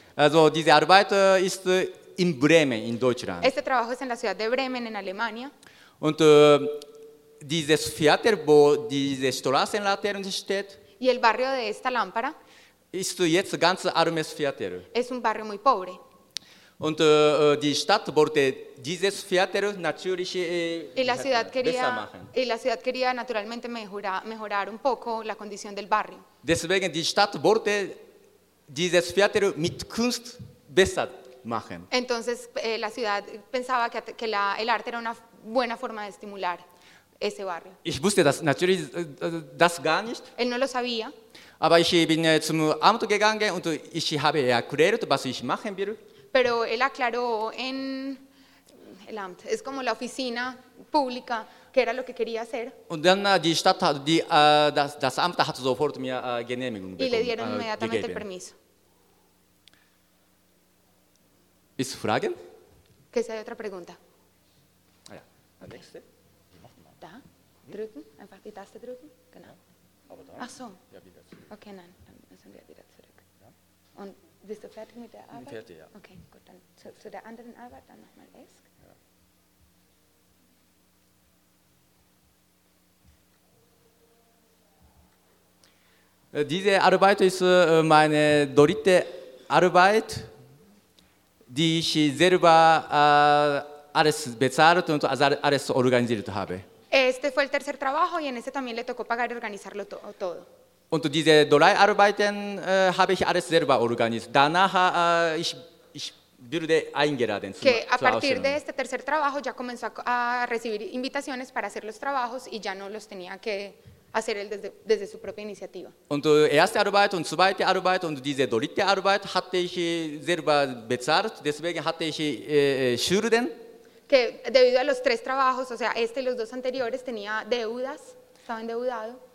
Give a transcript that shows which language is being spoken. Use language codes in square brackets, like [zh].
[de] Also diese Arbeit ist in Bremen, in Deutschland. [es] Este trabajo es en la ciudad de Bremen, en Alemania. [de] Und dieses Viertel, wo diese Straßenlaterne steht, [es] y el barrio de esta lámpara, [de] ist jetzt ganz armes Viertel. [es] Es un barrio muy pobre. [de] Und die Stadt wollte dieses Viertel natürlich [es] Y la ciudad quería naturalmente mejorar un poco la condición del barrio. [de] Deswegen die Stadt wollte dieses Viertel mit Kunst besser machen. [es] Entonces la ciudad pensaba que el arte era una buena forma de estimular ese barrio. [de] Ich wusste das natürlich das gar nicht. [es] Él no lo sabía. [de] Aber ich bin zum Amt gegangen und ich habe erklärt, was ich machen will. [es] Pero él aclaró en el Amt. Es como la oficina pública, que era lo que quería hacer. [de] Und dann die Stadt hat die das Amt hat sofort mir Genehmigung bekommen. [es] Y le dieron inmediatamente el permiso. [de] Ist Fragen? [es] Que si hay otra pregunta. [de] Ah, ja. Okay. Nächste. Da drücken, einfach die Taste drücken. Genau. Ach so. Okay, nein, dann müssen wir wieder zurück. Und bist du fertig mit der Arbeit? Fertig, ja. Okay, gut, dann zu der anderen Arbeit, dann nochmal ESC. Diese Arbeit ist meine dritte Arbeit, die ich selber alles bezahlt und alles organisiert habe. [es] Este fue el tercer trabajo y en ese también le tocó pagar y organizarlo todo. [de] Und diese drei Arbeiten habe ich alles selber organisiert. Danach ich wurde eingeladen. [es] Que a partir de este tercer trabajo ya comenzó a recibir invitaciones para hacer los trabajos y ya no los tenía que hacer él desde su propia iniciativa. [de] Und erste Arbeit und zweite Arbeit und diese dritte Arbeit hatte ich selber bezahlt, deswegen hatte ich Schulden. [es] Que debido a los tres trabajos, o sea, este y los dos anteriores tenía deudas, estaba endeudado.